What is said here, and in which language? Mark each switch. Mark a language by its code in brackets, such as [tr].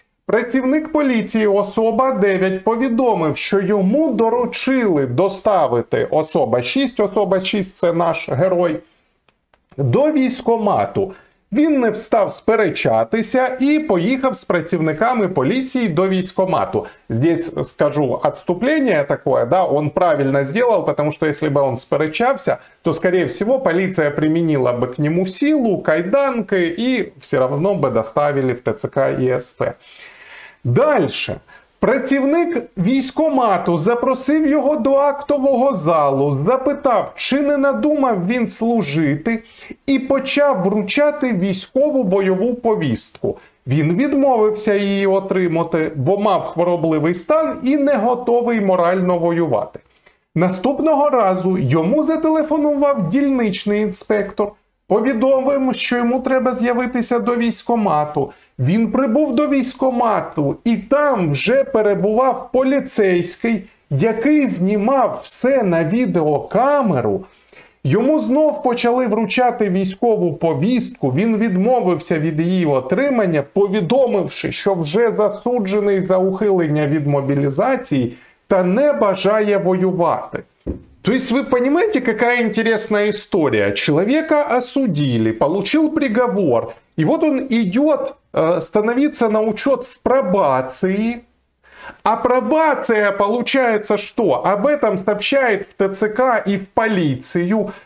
[uk] Працівник поліції особа 9 повідомив, що йому доручили доставити особа 6, особа 6 – це наш герой, до військкомату. Він не встав сперечатися і поїхав з працівниками поліції до військкомату. [ru] Здесь скажу отступление такое, да, он правильно сделал, потому что если бы он сперечався, то, скорее всего, полиция применила бы к нему силу, кайданки и все равно бы доставили в ТЦК и СП. Дальше. [uk] Працівник військомату запросив його до актового залу, запитав, чи не надумав він служити, і почав вручати військову бойову повістку. Він відмовився її отримати, бо мав хворобливий стан і не готовий морально воювати. Наступного разу йому зателефонував дільничний інспектор. Повідомив, що йому треба з'явитися до військомату. Він прибув до військомату, і там вже перебував поліцейський, який знімав все на відеокамеру. Йому знов почали вручати військову повістку, він відмовився від її отримання, повідомивши, що вже засуджений за ухилення від мобілізації та не бажає воювати. [ru] То есть вы понимаете, какая интересная история? Человека осудили, получил приговор, и вот он идет становиться на учет в пробации, а пробация получается что? Об этом сообщает в ТЦК и в полицию.